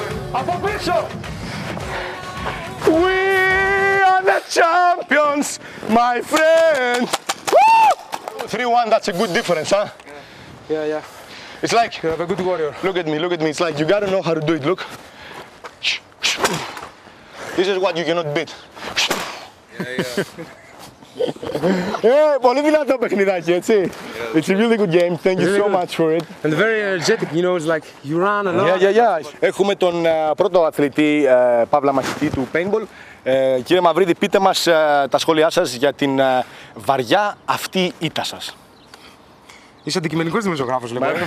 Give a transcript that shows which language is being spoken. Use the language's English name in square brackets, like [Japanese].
[Greek] Από πίσω! [English] We are the champions, my friend! 3-1, that's a good difference, huh? Yeah. It's like... You have a good warrior. Look at me. It's like, you gotta know how to do it, look. This is what you cannot beat. Yeah. [Greek] Yeah, πολύ δυνατό παιχνιδάκι, έτσι. [English] It's a really good game. Thank you so much for it. And very energetic, you know, it's like you run a lot. Yeah. [Greek] Έχουμε τον πρώτο αθλητή, Παύλα Μαχητή του Paintball. Κύριε Μαυρίδη, πείτε μας τα σχόλιά σας για την βαριά αυτή ήττα σας. Είσαι αντικειμενικός δημοσιογράφος, λοιπόν.